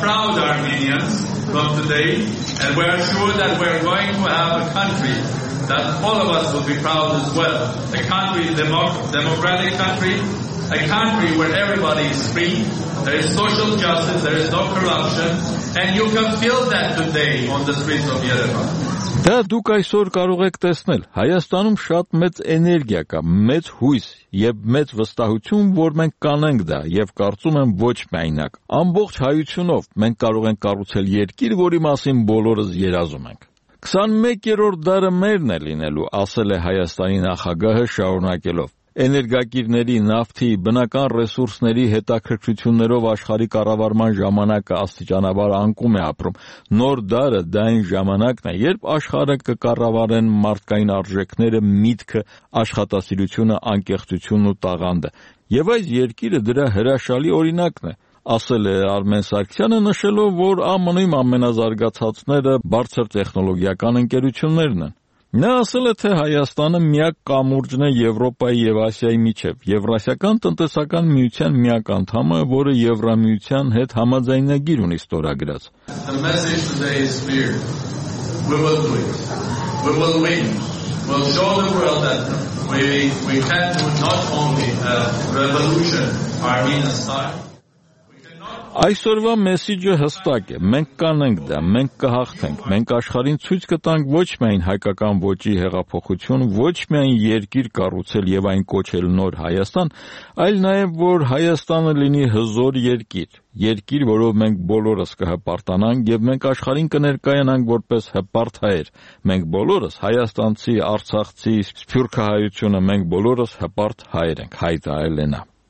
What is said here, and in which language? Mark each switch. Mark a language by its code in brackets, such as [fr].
[en] From today, and we are sure that we are going to have a country that all of us will be proud as well. A country, democratic country, a country where everybody is free, there is social justice, there is no corruption, and you can feel that today on the streets of Yerevan. [hy] Դա դուք այսօր կարող եք տեսնել։ Հայաստանում շատ մեծ էներգիա կա, մեծ հույս և մեծ վստահություն, որ մենք կանենք դա, և կարծում եմ ոչ միայնակ, ամբողջ հայությունով մենք կարող ենք կառուցել երկիր, որի մասին բոլորս երազում ենք։ 21-րդ դարը մերն է լինելու, ասել է Հայաստանի նախագահը շարունակելով. Էներգակիրների, նավթի, բնական ռեսուրսների հետաքրքրություններով աշխարհի կառավարման ժամանակը աստիճանաբար անկում է ապրում։ Նոր դարը դա այն ժամանակն է, երբ աշխարհը կկառավարեն մարդկային արժեքները, միտքը, աշխատասիրությունը, անկեղծությունն ու տաղանդը։ Եվ այս երկիրը դրա հրաշալի օրինակն է, ասել է Արմեն Սարգսյանը, նշելով, որ ԱՄՆ-ում ամենազարգացածները բարձր տեխնոլոգիական ընկերություններն են։ Նա ասել է, թե Հայաստանը միակ կամուրջն է Եվրոպայի և Ասիայի միջև, Եվրասիական տնտեսական միության միակ անդամը, որը Եվրամիության հետ համաձայնագիր ունի ստորագրած։ [en] The message today is clear. We will do it. We will win. We'll show the world that we can do not only a revolution, Armenian style. [hy] Այսօրվա մեսիջը հստակ է, մենք կանենք դա, մենք կհաղթենք, մենք աշխարհին ցույց կտանք ոչ միայն հայկական ոճի հեղափոխություն, ոչ միայն երկիր կառուցել և այն կոչել նոր Հայաստան, այլ նաև, որ Հայաստանը լինի հզոր երկիր, երկիր, որով մենք բոլորս կհպարտանանք և մենք աշխարհին կներկայանանք որպես հպարտ հայեր, մենք բոլորս, հայաստանցի, արցախցի, սփյուռքահայությունը, մենք բոլորս հպարտ հայեր ենք, հայտարել է նա։